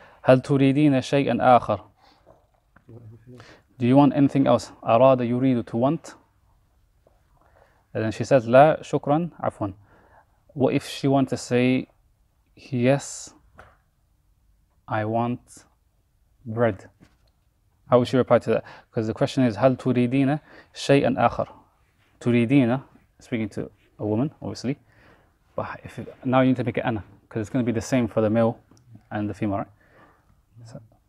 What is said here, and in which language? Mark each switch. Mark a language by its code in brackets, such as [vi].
[ar] هل تريدين شيئا آخر? [en] Do you want anything else? [ar] أراد يريد [en] to want. And then she says, [ar] لا شكرا عفوا. [en] What if she wants to say, yes, I want bread? How would she reply to that? Because the question is, [ar] هل تريدين شيئا آخر? [en] تريدين, speaking to a woman, obviously. But if it, now you need to make it أنا, because it's going to be the same for the male and the female, right?